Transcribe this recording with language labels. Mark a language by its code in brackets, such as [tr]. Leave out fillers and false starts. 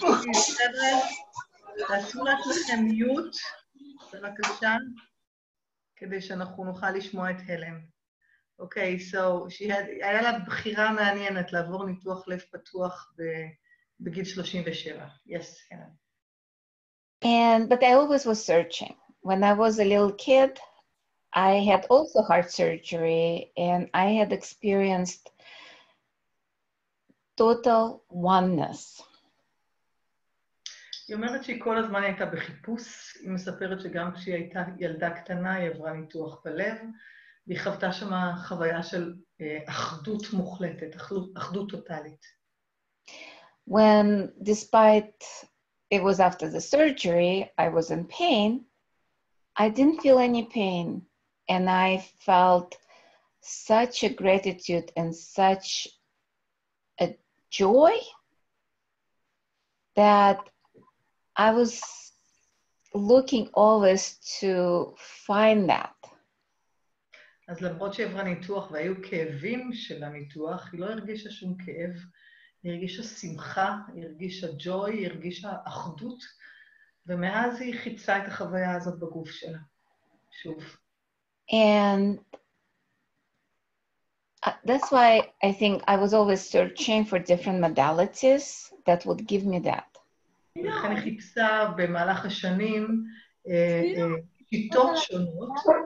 [he] חבר'ה, תעשו לכם מיוט, בבקשה, כדי שאנחנו נוכל לשמוע את הלם. [en] Okay, so she had, [he] היה לה בחירה מעניינת לעבור ניתוח לב פתוח בגיל 37. [en] Yes, Hannah. And, but I always was searching. When I was a little kid, I had also heart surgery and I had experienced total oneness. [he] היא אומרת שהיא כל הזמן הייתה בחיפוש. היא מספרת שגם כשהיא הייתה ילדה קטנה, היא עברה ניתוח בלב. היא חוותה שמה חוויה של אחדות מוחלטת, אחדות טוטלית. [en] When, despite it was after the surgery, I was in pain, I didn't feel any pain, and I felt such a gratitude and such a joy that I was looking always to find that. [he] אז למרות שעברה ניתוח והיו כאבים של הניתוח, היא לא הרגישה שום כאב, היא הרגישה שמחה, היא הרגישה ג'וי, היא הרגישה אחדות, ומאז היא חיצה את החוויה הזאת בגוף שלה, שוב. [en] And that's why I think I was always searching for different modalities that would give me that. [he] ולכן היא חיפשה במהלך השנים שיטות שונות,